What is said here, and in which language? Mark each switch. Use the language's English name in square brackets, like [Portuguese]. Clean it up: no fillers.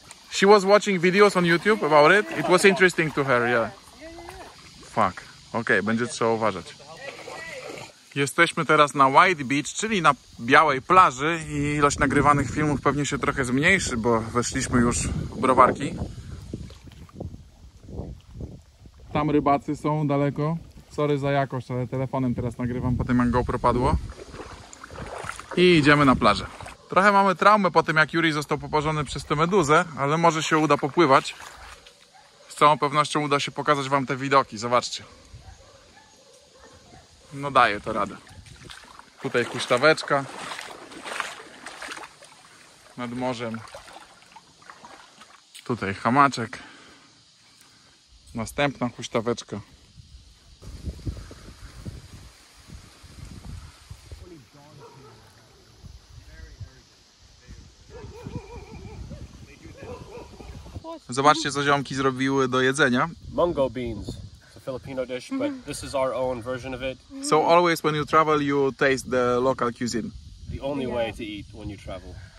[English] She was watching videos on YouTube about it. It was interesting to her, yeah. Fuck. [Polish] Okay, będzie trzeba uważać. Jesteśmy teraz na White Beach, czyli na białej plaży i ilość nagrywanych filmów pewnie się trochę zmniejszy, bo weszliśmy już w browarki. Tam rybacy są daleko. Sorry za jakość, ale telefonem teraz nagrywam, po tym jak GoPro padło. I idziemy na plażę. Trochę mamy traumę po tym jak Yuri został poparzony przez tę meduzę, ale może się uda popływać. Z całą pewnością uda się pokazać wam te widoki, zobaczcie. No daje to radę. Tutaj huśtaweczka. Nad morzem. Tutaj hamaczek. Następna huśtaweczka. Zobaczcie co ziomki zrobiły do jedzenia. [English] Mungo beans. Filipino dish, but this is our own version of it. So always when you travel, you taste the local cuisine. The only way to eat when you travel.